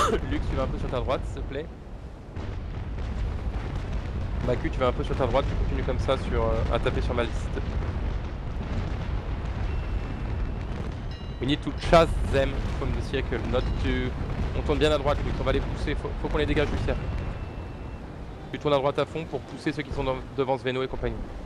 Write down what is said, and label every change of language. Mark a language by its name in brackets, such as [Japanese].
[French] Luke, tu vas un peu sur ta droite, s'il te plaît. Baku, tu vas un peu sur ta droite, tu continues comme ça sur, à taper sur ma liste. [English] We need to chase them from the circle, not to... [French] On tourne bien à droite, Luke, on va les pousser, faut qu'on les dégage du cercle. Tu tournes à droite à fond pour pousser ceux qui sont devant Sveno et compagnie.